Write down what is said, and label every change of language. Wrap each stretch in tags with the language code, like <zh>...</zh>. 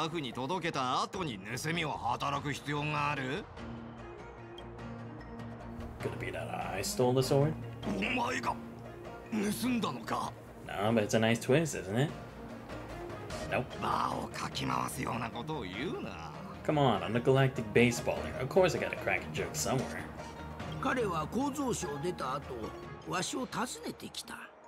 <ja>使節団と同じように彼が封建を狙っていたとして、なぜわざわざラフに届けた後に盗みを働く必要がある？</ja> <en>Could it be that I stole the sword?</en> <ja>お前が盗んだのか?</ja> <en>No, but it's a nice twist, isn't it? Nope.</en> <ja>場をかき回すようなことを言うな。</ja> <en>Come on, I'm a galactic baseballer. Of course I got a crack joke somewhere.</en> <ja>彼は構造所を出た後、わしを訪ねてきた。</ja>